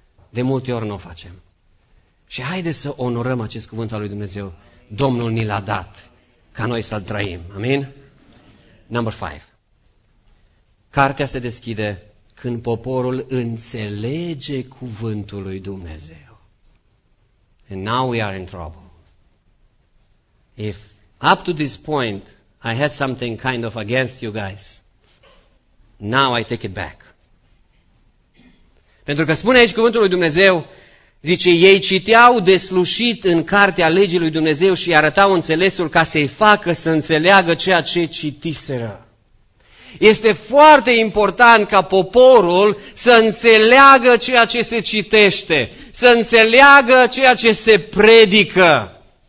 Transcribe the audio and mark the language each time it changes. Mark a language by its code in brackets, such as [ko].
[ro] De multe ori nu o facem. Și haide să onorăm acest cuvânt al lui Dumnezeu. Domnul ni l-a dat ca noi să-l trăim. Amin? [en] Number 5. [ro] Cartea se deschide când poporul înțelege cuvântul lui Dumnezeu. [en] And now we are in trouble. If up to this point I had something kind of against you guys, now I take it back. [ro] Pentru că spune aici cuvântul lui Dumnezeu, zice, ei citeau deslușit în cartea legii lui Dumnezeu și arătau înțelesul ca să-i facă să înțeleagă ceea ce citiseră. Este foarte important ca poporul să înțeleagă ceea ce se citește, să înțeleagă ceea ce se predică.